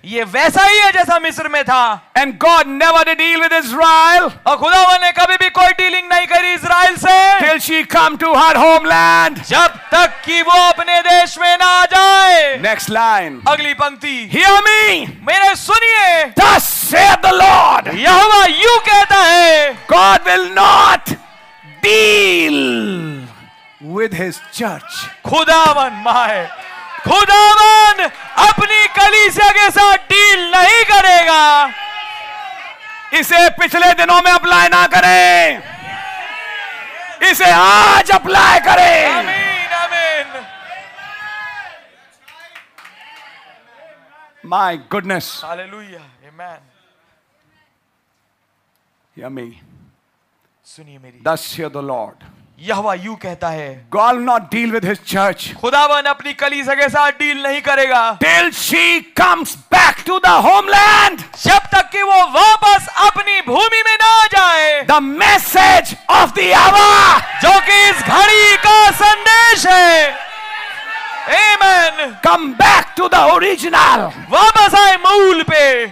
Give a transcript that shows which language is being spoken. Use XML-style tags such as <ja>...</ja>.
<hi>ये वैसा ही है जैसा मिस्र में था.</hi> <en>And God never did deal with Israel.</en> <hi>और खुदावन ने कभी भी कोई डीलिंग नहीं करी इज़राइल से.</hi> <en>Till she come to her homeland.</en> <hi>जब तक कि वो अपने देश में ना आ जाए.</hi> <en>Next line.</en> <hi>अगली पंक्ति.</hi> <en>Hear me.</en> <hi>मेरे सुनिए.</hi> <en>Thus saith the Lord.</en> <hi>यहोवा यूं कहता है.</hi> <en>God will not deal with His church.</en> <hi>खुदावन माय. खुदावन अपनी कलीसिया के साथ डील नहीं करेगा, इसे पिछले दिनों में अप्लाई ना करें, इसे आज अप्लाई करें, आमीन, आमीन,</hi> <en>my goodness,</en> <hi>हालेलुया, आमीन, यमी, सुनिए मेरी,</hi> <en>thus here the Lord,</en> <hi>यहोवा यूं कहता है,</hi> <en>God not deal with his church,</en> <hi>खुदावन अपनी कलीसिया के साथ डील नहीं करेगा,</hi> <en>till she comes back to the homeland,</en> <hi>जब तक कि वो वापस अपनी भूमि में ना आ जाए,</hi> <en>the message of the hour,</en> <hi>जो कि इस घड़ी का संदेश है, amen,</hi> <en>come back to the original,</en> <hi>वापस आए मूल पे,</hi>